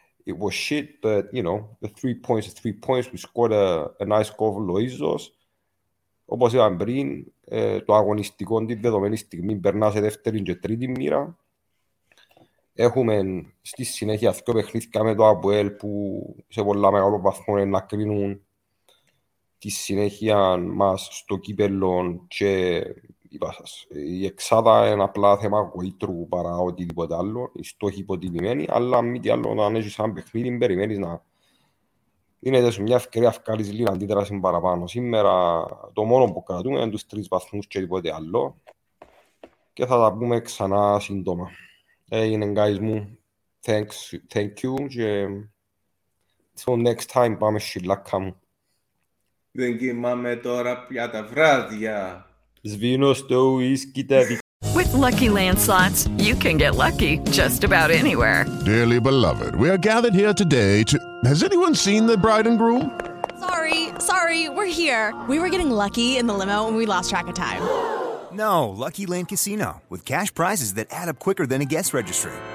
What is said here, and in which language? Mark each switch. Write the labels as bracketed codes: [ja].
[en] It was shit, but, you know, the 3 points are 3 points. We scored a nice goal for Loizos. [el] Όπως είπαμε πριν, το αγωνιστικό τη δεδομένη στιγμή περνά σε δεύτερη και τρίτη μοίρα. Έχουμε στη συνέχεια δύο παιχνίδια με το ΑΠΟΕΛ που σε πολλά μεγάλο βαθμό να κρίνουν τη συνέχεια μας στο κύπελλο και η εξάδα είναι απλά θέμα γοήτρου παρά οτιδήποτε άλλο, η στόχη υποτιμημένη, αλλά μη τι άλλο, αν έχεις ένα παιχνίδι, περιμένεις να δίνεται σου μια ευκαιρία ευκάλης λίγη αντίδραση παραπάνω. Σήμερα το μόνο που κρατούμε είναι τους 3 βαθμούς και τίποτε άλλο και θα τα πούμε ξανά σύντομα. [en] Έγινε, guys μου. Thanks, thank you. Till next time, [el] πάμε σιλάκα μου. Δεν κοιμάμαι τώρα πια τα βράδια. Σβήνω στο ίσκι τα δικά. [en] With Lucky Land Slots, you can get lucky just about anywhere. Dearly beloved, we are gathered here today to... Has anyone seen the bride and groom? Sorry, we're here. We were getting lucky in the limo and we lost track of time. No, Lucky Land Casino, with cash prizes that add up quicker than a guest registry.